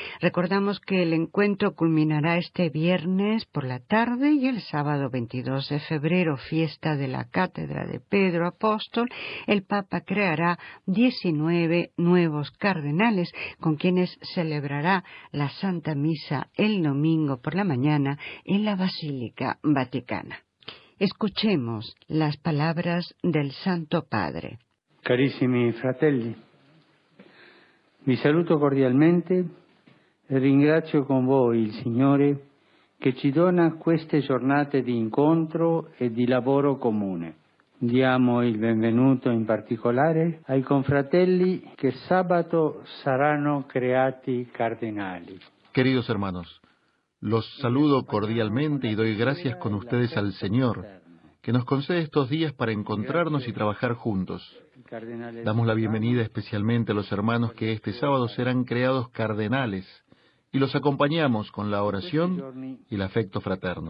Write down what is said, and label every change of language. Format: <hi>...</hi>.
<es>Recordamos que el encuentro culminará este viernes por la tarde y el sábado 22 de febrero, fiesta de la Cátedra de Pedro Apóstol, el Papa creará 19 nuevos cardenales con quienes celebrará la Santa Misa el domingo por la mañana en la Basílica Vaticana. Escuchemos las palabras del Santo Padre.</es> <it>Carissimi fratelli, vi saluto cordialmente e ringrazio con voi il Signore che ci dona queste giornate di incontro e di lavoro comune. Diamo il benvenuto in particolare ai confratelli che sabato saranno creati cardinali.</it> <es>Queridos hermanos, los saludo cordialmente y doy gracias con ustedes al Señor, que nos concede estos días para encontrarnos y trabajar juntos. Damos la bienvenida especialmente a los hermanos que este sábado serán creados cardenales y los acompañamos con la oración y el afecto fraterno.</es>